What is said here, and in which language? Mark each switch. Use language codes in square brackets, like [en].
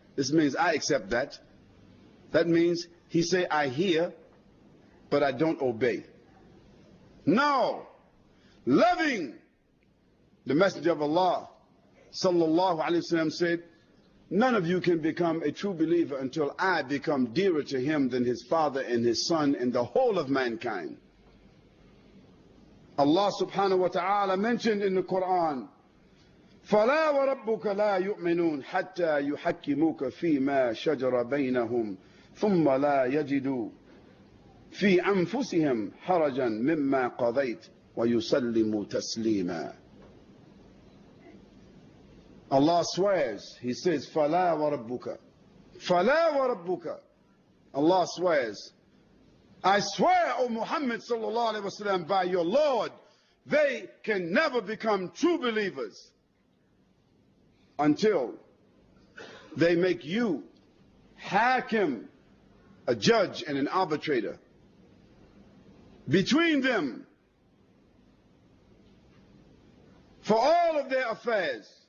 [en] This means I accept that. That means he say, I hear, but I don't obey. No. Loving the Messenger of Allah sallallahu alayhi wa sallam said, none of you can become a true believer until I become dearer to him than his father and his son and the whole of mankind. Allah subhanahu wa ta'ala mentioned in the Quran, [ar] فَلَا وَرَبُّكَ لَا يُؤْمِنُونَ حَتَّى يُحَكِّمُوكَ فِي مَا شَجَرَ بَيْنَهُمْ ثُمَّ لَا يَجِدُوا فِي أَنفُسِهِمْ حَرَجًا مِمَّا قَضَيْتَ وَيُسَلِّمُوا تَسْلِيمًا. [en] Allah swears, he says, [ar] فَلَا وَرَبُّكَ فَلَا وَرَبُّكَ. [en] Allah swears, I swear, O Muhammad sallallahu alayhi wa sallam, by your Lord, they can never become true believers until they make you hakim, a judge and an arbitrator, between them for all of their affairs.